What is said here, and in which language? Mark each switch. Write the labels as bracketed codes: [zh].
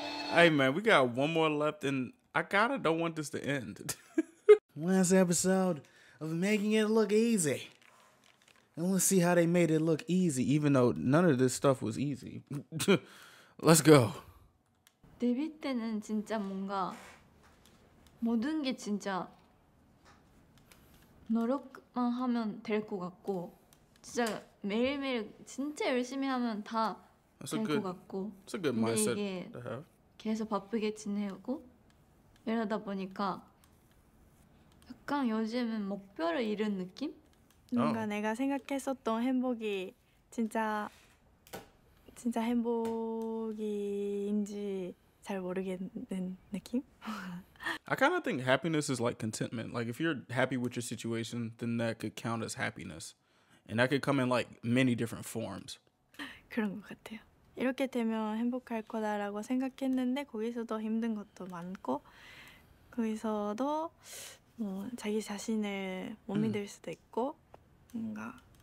[en] Hey, man, we got one more left, and I kind of don't want this to end. Last episode of Making It Look Easy. And let's see how they made it look easy, even though none of this stuff was easy. Let's go. [ko] 데뷔 때는 진짜 뭔가 모든 게 진짜 노력만 하면 될 것 같고 진짜 매일매일 진짜 열심히 하면 다 될 것 같고 근데 이게 계속 바쁘게 지내고 이러다 보니까 약간 요즘은 목표를 잃은 느낌? 뭔가 내가 생각했었던 행복이 진짜 행복인지 잘 모르겠는 느낌? [en] I kind of think happiness is like contentment. Like, if you're happy with your situation, then that could count as happiness. And that could come in, like, many different forms. [ko] 그런 것 같아요. 이렇게 되면 행복할 거다라고 생각했는데 거기서도 힘든 것도 많고 거기서도 뭐 자기 자신을 못 믿을 수도 있고 뭔가